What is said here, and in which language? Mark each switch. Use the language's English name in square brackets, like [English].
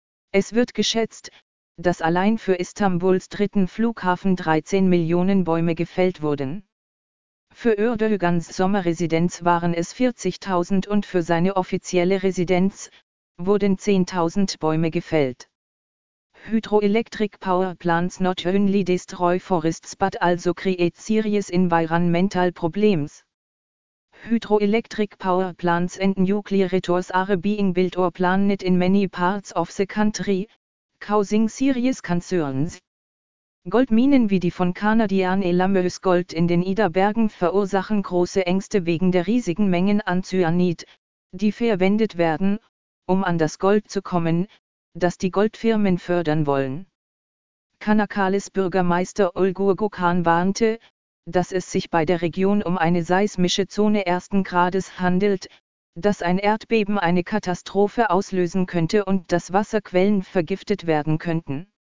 [German] Es wird geschätzt, dass allein für Istanbuls dritten Flughafen 13 Millionen Bäume gefällt wurden. Für Erdogans Sommerresidenz waren es 40.000 und für seine offizielle Residenz wurden 10.000 Bäume gefällt. [English] Hydroelectric power plants not only destroy forests but also create serious environmental problems. Hydroelectric power plants and nuclear reactors are being built or planned in many parts of the country, causing serious concerns. [German] Goldminen wie die von Canadian Alamos Gold in den Ida-Bergen verursachen große Ängste wegen der riesigen Mengen an Cyanid, die verwendet werden, um an das Gold zu kommen, das die Goldfirmen fördern wollen. Kanakalis Bürgermeister Ulgur Gukan warnte, dass es sich bei der Region um eine seismische Zone ersten Grades handelt, dass ein Erdbeben eine Katastrophe auslösen könnte und dass Wasserquellen vergiftet werden könnten.